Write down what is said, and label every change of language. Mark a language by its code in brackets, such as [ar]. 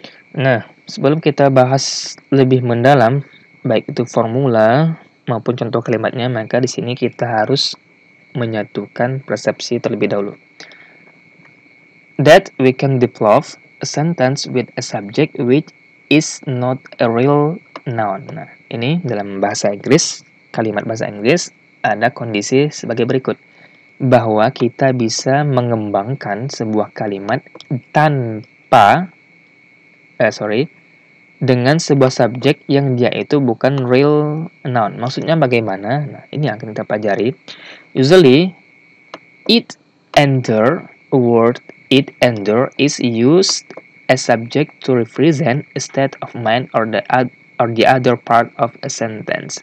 [id] Nah, sebelum kita bahas lebih mendalam, baik itu formula maupun contoh kalimatnya, maka di sini kita harus menyatukan persepsi terlebih dahulu. [en] That we can develop a sentence with a subject which is not a real noun. [id] Nah, ini dalam bahasa Inggris, kalimat bahasa Inggris, ada kondisi sebagai berikut. Bahwa kita bisa mengembangkan sebuah kalimat tanpa dengan sebuah subjek yang dia itu bukan real noun. Maksudnya bagaimana? Nah, ini yang akan kita pelajari. [en] Usually, it and there, word it and there is used as subject to represent a state of mind or the other part of a sentence.